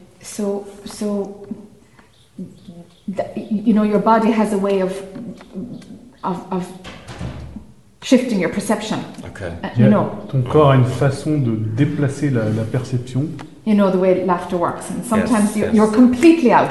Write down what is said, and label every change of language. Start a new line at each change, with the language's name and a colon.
English: So you know, your body has a way of shifting your perception. Okay. Okay. You know,
French: ton corps a une façon de déplacer la perception.
English: You know the way laughter works, and sometimes you're completely out,